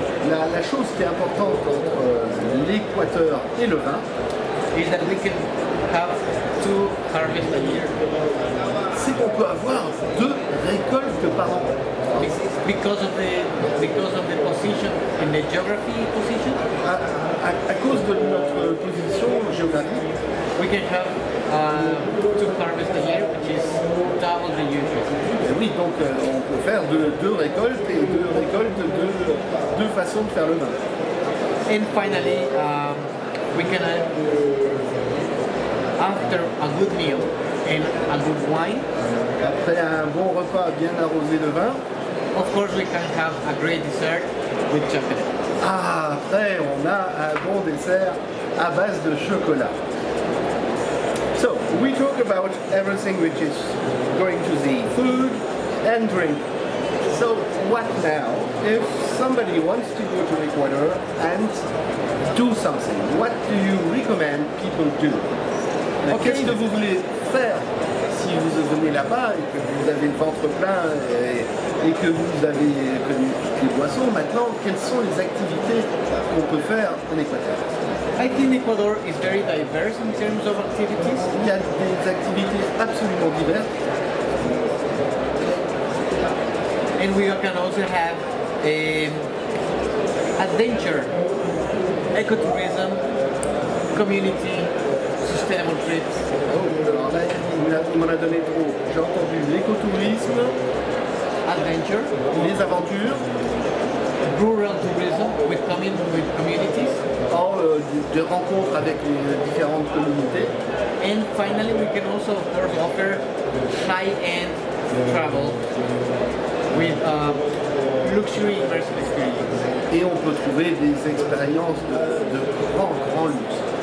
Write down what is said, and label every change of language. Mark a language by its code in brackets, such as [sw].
[fr] La chose qui est importante entre l'Équateur et le vin [en] is that we can have two harvests a year. [fr] C'est qu'on peut avoir deux récoltes par an. [en] Because of the position and the geography position. [fr] À cause de notre position géographique, [en] we can have two harvests a year, which is double the usual. [fr] Oui, donc on peut faire deux récoltes et deux récoltes de deux façons de faire le vin. [en] And finally, we can after a good meal and a good wine. [fr] Après un bon repas bien arrosé de vin. [en] Of course, we can have a great dessert with chocolate. [fr] Ah, après on a un bon dessert à base de chocolat. [en] So we talk about everything which is going to the food and drink. So what now? If somebody wants to go to Ecuador and do something, what do you recommend people do? Okay. [fr] Qu'est-ce que vous voulez faire si vous venez là-bas et que vous avez le ventre plein et que vous avez connu toutes les boissons? Maintenant, quelles sont les activités qu'on peut faire en Équateur? [en] I think Ecuador is very diverse in terms of activities. [fr] Il y a des activités absolument diverses. [en] And we can also have adventure, ecotourism, community, sustainable trips. [fr] Oh, là, il m'en a donné trop. J'ai entendu l'écotourisme, [en] adventure, [fr] les aventures, [en] rural tourism with communities. [fr] Des rencontres avec les différentes communautés. [en] And finally, we can also offer high-end travel with a luxury immersive experience. [fr] Et on peut trouver des expériences de grand, grand luxe.